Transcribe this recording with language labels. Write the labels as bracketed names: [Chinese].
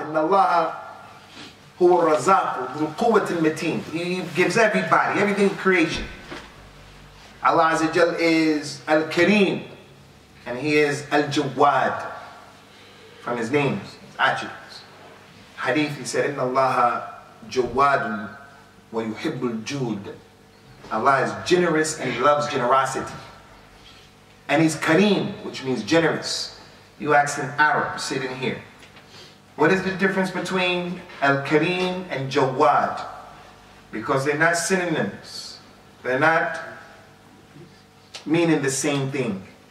[Arabic] Inna Allah huwa ar-Razzaq dhul quwwati al-mateen. [English] He gives everybody, everything in creation. Allah Azza Jal is Al-Kareem. And he is Al-Jawad. From his names, actually. Hadith, he said, [Arabic] إِنَّ اللَّهَ جَوَّادٌ وَيُحِبُّ الْجُودِ. [English] Allah is generous and he loves generosity. And he's kareem, which means generous. You ask an Arab sitting here, what is the difference between al-kareem and jawad? Because they're not synonyms. They're not meaning the same thing.